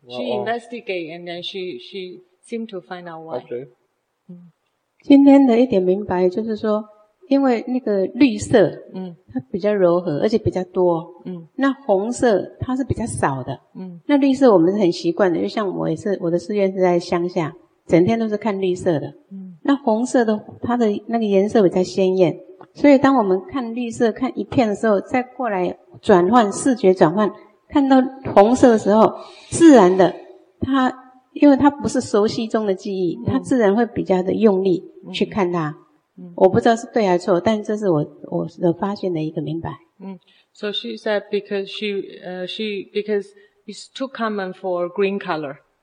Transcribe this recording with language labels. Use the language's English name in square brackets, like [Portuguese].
[English] She investigate and then she seemed to find out why. Okay. [Chinese] 今天的一点明白就是说，因为那个绿色，它比较柔和，而且比较多，那红色它是比较少的，那绿色我们是很习惯的，就像我也是，我的寺院是在乡下，整天都是看绿色的，那红色的它的那个颜色比较鲜艳。所以当我们看绿色看一片的时候，再过来转换视觉转换，看到红色的时候，自然的它，因为它不是熟悉中的记忆，它自然会比较的用力去看它。我不知道是对还是错，但这是我的发现的一个明白。 [English] So she said because it's too common for green color.